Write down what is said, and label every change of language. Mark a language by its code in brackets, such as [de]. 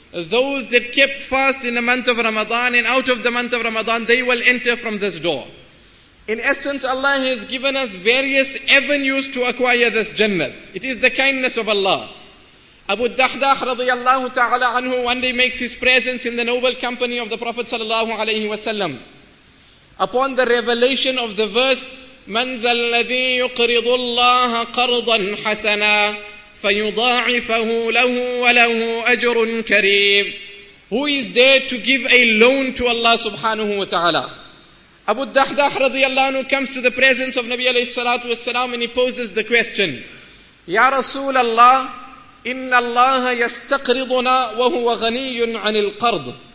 [en] Those that kept fast in the month of Ramadan and out of the month of Ramadan, they will enter from this door. In essence, Allah has given us various avenues to acquire this Jannah. It is the kindness of Allah. Abu Dahdah radiyallahu ta'ala anhu one day makes his presence in the noble company of the Prophet sallallahu alayhi wa sallam. Upon the revelation of the verse, [ar] مَنْ ذَا الَّذِي يُقْرِضُ اللَّهَ قَرْضًا حَسَنًا فَيُضَاعِفَهُ لَهُ وَلَهُ أَجْرٌ كَرِيمٌ. [en] Who is there to give a loan to Allah subhanahu wa ta'ala? Abu Dahdah radiyallahu anhu comes to the presence of Nabi alayhi salatu wa salam and he poses the question, Ya Rasul Allah, [ar] إِنَّ اللَّهَ يَسْتَقْرِضُنَا وَهُوَ غَنِيٌّ عَنِ الْقَرْضِ.